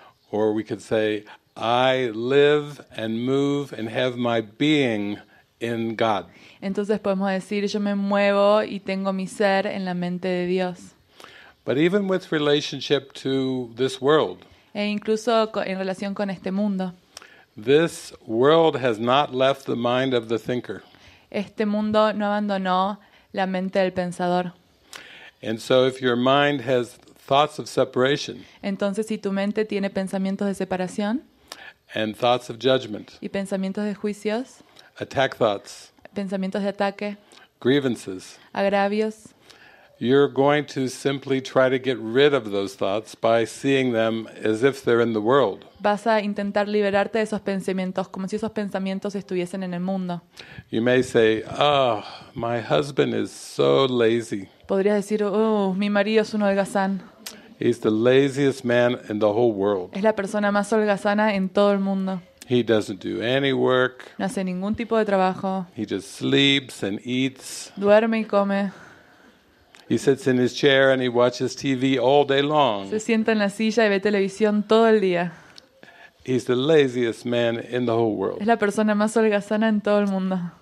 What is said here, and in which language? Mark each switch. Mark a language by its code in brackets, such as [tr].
[en] Or we could say, I live and move and have my being in God. [es] Entonces podemos decir yo me muevo y tengo mi ser en la mente de Dios. [en] But even with relationship to this world. [es] E incluso en relación con este mundo. [en] This world has not left the mind of the thinker. [es] Este mundo no abandonó la mente del pensador. [en] And so if your mind has thoughts of separation. [es] Entonces si tu mente tiene pensamientos de separación. [en] And thoughts of judgment. [es] Y pensamientos de juicios. [en] Attack thoughts. [es] Pensamientos de ataque. [en] Grievances. [es] Agravios. [en] You're going to simply try to get rid of those thoughts by seeing them as if they're in the world. [es] Vas a intentar liberarte de esos pensamientos como si esos pensamientos estuviesen en el mundo. [en] You may say, "Oh, my husband is so lazy." [es] Podrías decir, "Oh, mi marido es un holgazán." [en] He's the laziest man in the whole world. [es] Es la persona más holgazana en todo el mundo. [en] He doesn't do any work. [es] No hace ningún tipo de trabajo. [en] He just sleeps and eats. [es] Duerme y come. [en] He sits in his chair and he watches TV all day long. [es] Se sienta en la silla y ve televisión todo el día. [en] He's the laziest man in the whole world. [es] Es la persona más holgazana en todo el mundo.